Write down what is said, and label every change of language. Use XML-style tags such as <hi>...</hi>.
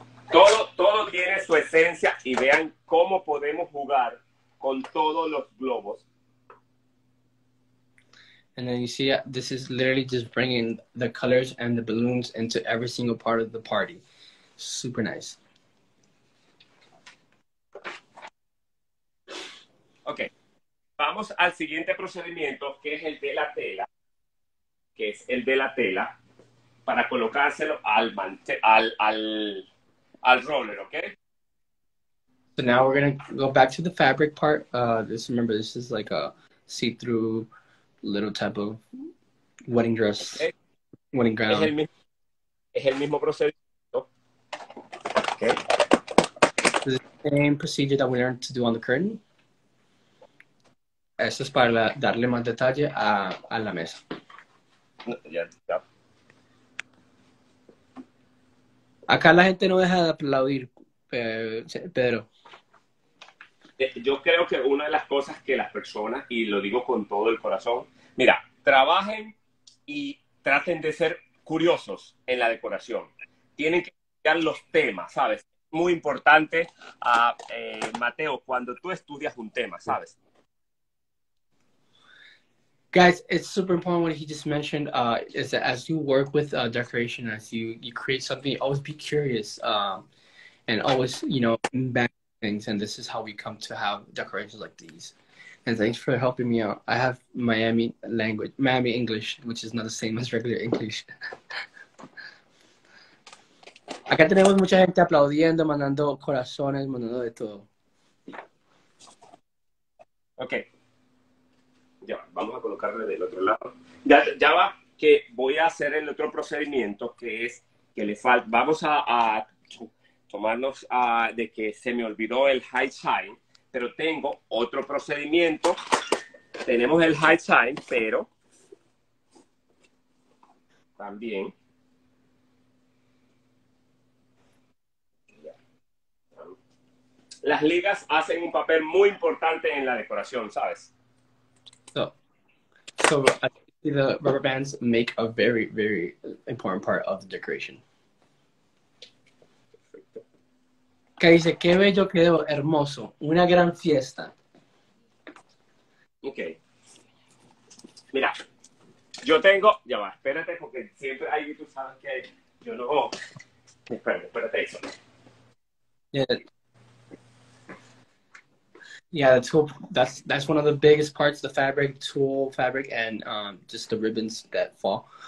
<es>Todo tiene su esencia y vean cómo podemos jugar con todos los globos.</es> <en>And then you see, this is literally just bringing the colors and the balloons into every single part of the party. Super nice. Okay.</en> <es>Vamos al siguiente procedimiento, que es el de la tela. Que es el de la tela para colocárselo al roller, okay?</es> <en>So now we're going to go back to the fabric part. Just remember, this is like a see-through little type of wedding dress, okay. Wedding gown.</en> <es>Es el mismo procedimiento. Okay.</es> <en>The same procedure that we learned to do on the curtain.</en> <es>Esto es para darle más detalle a la mesa.</es> <en>Yeah.</en> <es>Acá la gente no deja de aplaudir, Pedro. Yo creo que una de las cosas que las personas, y lo digo con todo el corazón, mira, trabajen y traten de ser curiosos en la decoración. Tienen que estudiar los temas, ¿sabes? Muy importante, Mateo, cuando tú estudias un tema, ¿sabes?</es> <en>Guys, it's super important what he just mentioned, is that as you work with decoration, as you create something, always be curious, and always, you know, things, and this is how we come to have decorations like these. And thanks for helping me out. I have Miami language, Miami English, which is not the same as regular English.</en> <es>Acá tenemos mucha gente aplaudiendo, mandando corazones, mandando de todo. Ok. Ya, vamos a colocarle del otro lado. Ya, ya va, que voy a hacer el otro procedimiento, que es que le falta. Vamos a tomarnos a, de que se me olvidó el high sign, pero tengo otro procedimiento. Tenemos el high sign, pero también. Las ligas hacen un papel muy importante en la decoración, ¿sabes?</es> <en>So, the rubber bands make a very, very important part of the decoration.</en> <es>Perfecto. Que dice, qué bello quedó, hermoso, una gran fiesta. Ok. Mira, yo tengo, ya va, espérate, porque siempre hay, tú sabes que yo no, espérate eso.</es> <en>Yeah, the tulle, that's one of the biggest parts, the fabric, tulle fabric, and just the ribbons that fall.</en>